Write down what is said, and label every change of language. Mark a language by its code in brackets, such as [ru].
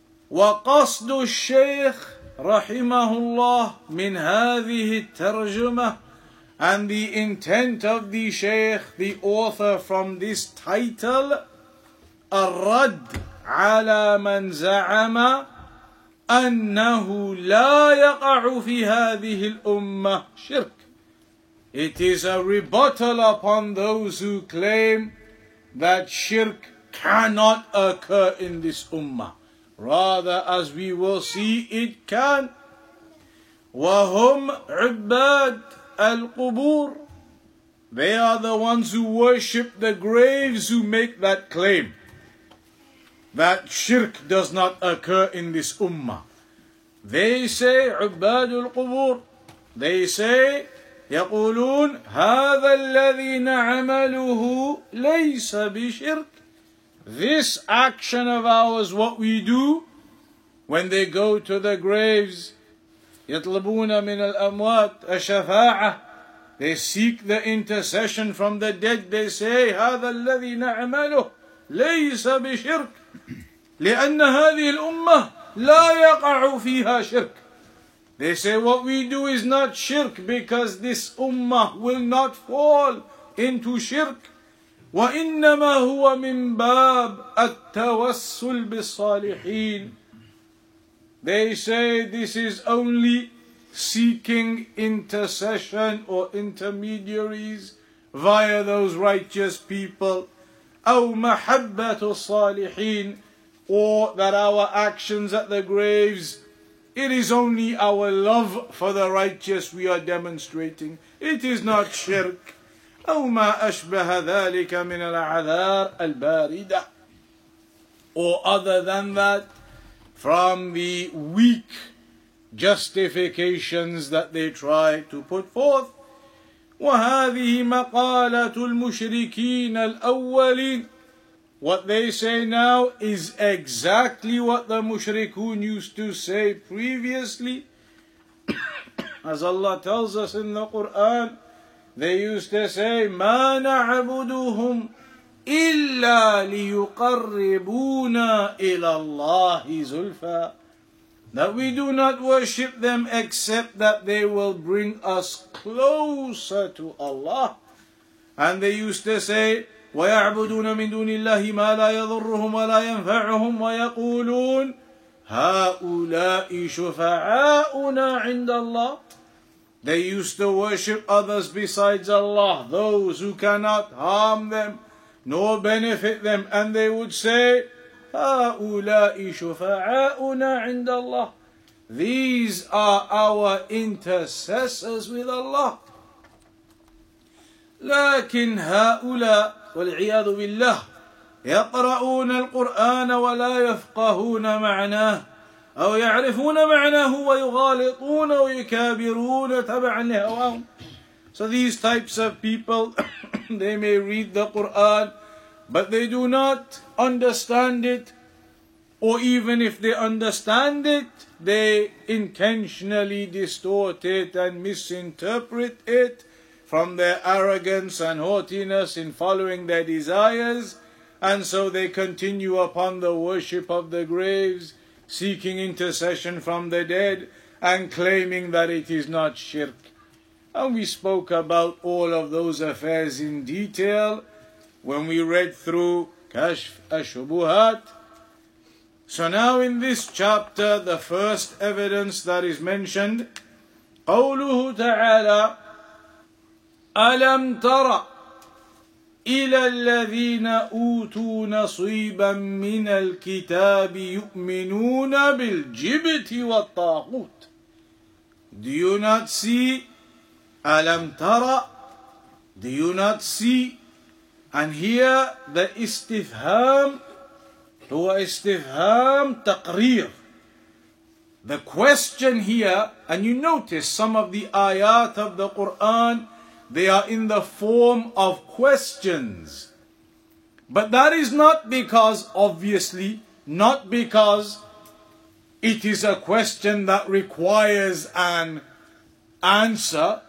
[ar] وقصد الشيخ رحمه الله من هذه الترجمة, [en] and the intent of the Shaykh, the author from this title, [ar] الرد على من زعم أنه لا يقع في هذه الأمة شرك. [en] It is a rebuttal upon those who claim that shirk cannot occur in this ummah. Rather, as we will see, it can. [ar] وَهُمْ عباد القبور. [en] They are the ones who worship the graves who make that claim that shirk does not occur in this ummah. They say, [ar] عباد القبور, [en] they say, [ar] يقولون هذا الذي نعمله ليس بشرك. [en] This action of ours, what we do, when they go to the graves, [ar] يطلبون من الأموات الشفاعة, [en] they seek the intercession from the dead, they say, [ar] هذا الذي نعمله ليس بشرك, لأن هذه الأمة لا يقع فيها شرك. [en] They say, what we do is not shirk, because this ummah will not fall into shirk. [ar] وإنما هو من باب التوسل بالصالحين. [en] They say this is only seeking intercession or intermediaries via those righteous people. [ar] أو محبة الصالحين, [en] or that our actions at the graves, it is only our love for the righteous we are demonstrating. It is not shirk. [ar] أو ما أشبه ذلك من الأعذار الباردة, [en] or other than that, from the weak justifications that they try to put forth. [ar] وهذه مقالة المشركين الأولين. [en] What they say now is exactly what the mushrikun used to say previously. As Allah tells us in the Quran, they used to say, [ar] ما نعبدهم إلا ليقربونا إلى الله زلفا, [en] that we do not worship them except that they will bring us closer to Allah. And they used to say, [ar] ويعبدون من دون الله ما لا يضرهم ولا ينفعهم ويقولون هؤلاء شفعاؤنا عند الله. [en] They used to worship others besides Allah, those who cannot harm them nor benefit them. And they would say, [ar] هؤلاء شفعاؤنا عند الله. [en] These are our intercessors with Allah. [ar] لكن هؤلاء والعياذ بالله يقرؤون القرآن ولا يفقهون معناه أو يعرفون معناه ويغالطون ويكابرون تبعا لهواهم. [en] So these types of people, they may read the Quran, but they do not understand it, or even if they understand it, they intentionally distort it and misinterpret it from their arrogance and haughtiness in following their desires, and so they continue upon the worship of the graves, seeking intercession from the dead and claiming that it is not shirk. And we spoke about all of those affairs in detail when we read through Kashf al-Shubuhat. So now in this chapter, the first evidence that is mentioned, [ar] قوله تعالى, ألم تر إلى الذين أوتوا نصيبا من الكتاب يؤمنون بالجبت والطاغوت. [en] Do you not see? [ar] ألم تر? [en] Do you not see? And here the [ar] استفهام هو استفهام تقرير. [en] The question here, and you notice some of the ayat of the Quran, they are in the form of questions. But that is not because, obviously, not because it is a question that requires an answer.